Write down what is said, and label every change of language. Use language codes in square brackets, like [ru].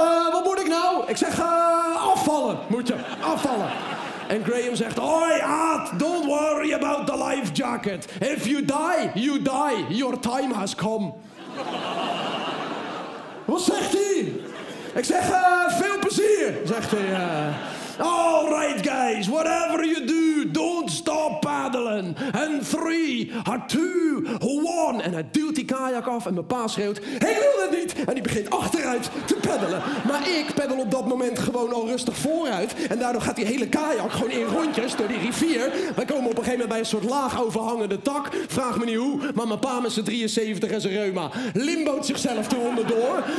[nl] Wat moet ik nou? Ik zeg, afvallen, moet je. Afvallen. En Graham zegt, [en] oi, Art, don't worry about the life jacket. If you die, you die. Your time has come. [nl] Wat zegt hij? Ik zeg, veel plezier, zegt hij. [en] All right, guys, whatever you do, don't stop paddling. And 3, 2, 1. [nl] En hij duwt die kajak af en mijn pa schreeuwt, ik wil dat niet. En hij begint achteruit te paddelen. Maar ik paddel op dat moment gewoon al rustig vooruit. En daardoor gaat die hele kajak gewoon in rondjes door die rivier. Wij komen op een gegeven moment bij een soort laag overhangende tak. Vraag me niet hoe, maar mijn pa met zijn 73 en zijn reuma limboot zichzelf toe onderdoor.